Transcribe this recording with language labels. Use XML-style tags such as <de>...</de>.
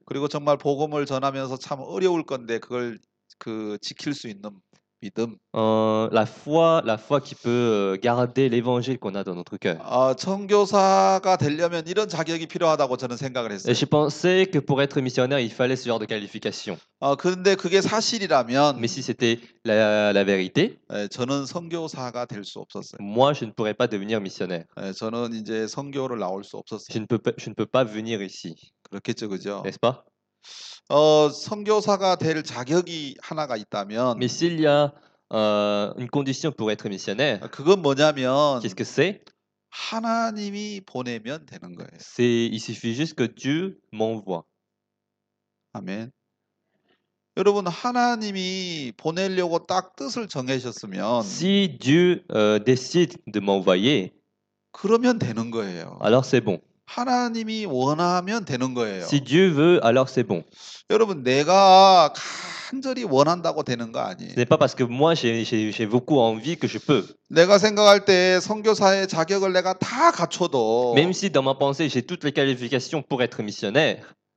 <ko>그리고 정말 복음을 전하면서 참 어려울 건데 그걸 그 지킬 수 있는 믿음.</ko> <fr>La foi qui peut garder l'évangile qu'on a dans notre cœur.</fr> <ko>선교사가 되려면 이런 자격이 필요하다고 저는 생각을</ko> <fr>Et</fr> <ko>했어요.</ko> <fr>je pensais que pour être missionnaire, il fallait ce genre de qualification.</fr> <ko>근데 그게</ko> <fr>Mais</fr> <ko>사실이라면</ko> <fr>si c'était la vérité,</fr> <ko>저는 선교사가 될수 없었어요.</ko> <fr>moi, je ne pourrais pas devenir missionnaire.</fr> <ko>저는 이제 선교를 나올 수 없었어요.</ko> <fr>Je ne peux pas venir ici.</fr> <ko>그렇겠죠, 그죠?</ko> <fr>N'est-ce pas?</fr> <ko>선교사가 될 자격이 하나가 있다면</ko> <fr>Mais s'il y a une condition pour être missionnaire,</fr> <ko>그건</ko> <fr>qu'est-ce que</fr> <ko>뭐냐면</ko> <fr>c'est?</fr> <ko>하나님이 보내면 되는 거예요.</ko> <fr>C'est, il suffit juste que Dieu m'envoie.</fr> <ko>아멘. 여러분, 하나님이 보내려고 딱 뜻을 정하셨으면</ko> <fr>Si Dieu décide de m'envoyer,</fr> <ko>그러면 되는 거예요.</ko> <fr>alors c'est bon.</fr> <ko>하나님이 원하면 되는 거예요.</ko> <fr>Dieu veut, alors c'est bon.</fr> <ko>여러분, 내가 간절히 원한다고 되는 거</ko> <fr>Ce n'est</fr> <ko>아니에요.</ko> <fr>pas parce que moi j'ai beaucoup envie que je peux.</fr> <ko>내가 생각할 때 선교사의 자격을 내가 다</ko> <fr>Même</fr> <ko>갖춰도</ko> <fr>si dans ma pensée j'ai toutes les qualifications pour être missionnaire,</fr>